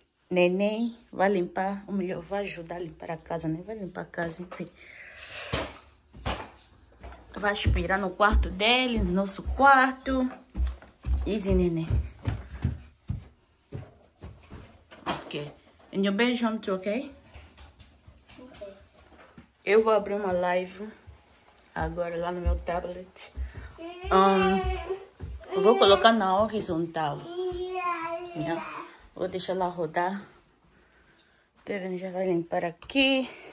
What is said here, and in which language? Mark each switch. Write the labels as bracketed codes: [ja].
[pt] Neném, vai limpar. Ou melhor, vai ajudar a limpar a casa, né? Vai limpar a casa, enfim. Vai aspirar no quarto dele, no nosso quarto. [en] Easy, neném. Okay. And your bedroom too, okay? Okay. [pt] Eu vou abrir uma live agora lá no meu tablet. Eu vou colocar na horizontal. [en] Yeah. [pt] Vou deixar ela rodar. Teven já vai limpar aqui.